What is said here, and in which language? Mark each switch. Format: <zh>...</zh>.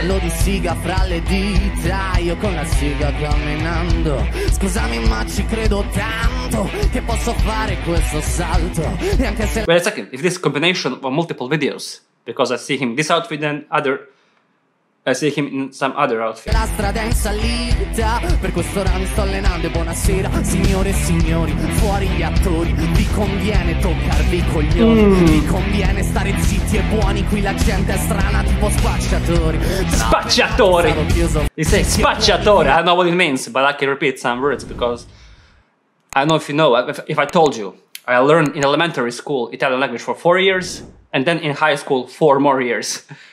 <it>Cielo di siga fra le dita, io con la siga camminando. Scusami, ma ci credo tanto che posso fare questo salto. E anche se...</it> <en>Wait a second, if this combination of multiple videos, because I see him this outfit and other. I see him in some other outfit.</en> <it>La strada è in salita, per questo ora mi sto allenando e buonasera, signore e signori, fuori gli attori, vi conviene toccarvi i coglioni, vi conviene stare zitti e buoni, qui la gente è strana tipo spacciatori. Spacciatori!</it> <en>He says spacciatore, I don't know what it means, but I can repeat some words because I don't know if you know, if I told you, I learned in elementary school Italian language for 4 years, and then in high school 4 more years.</en>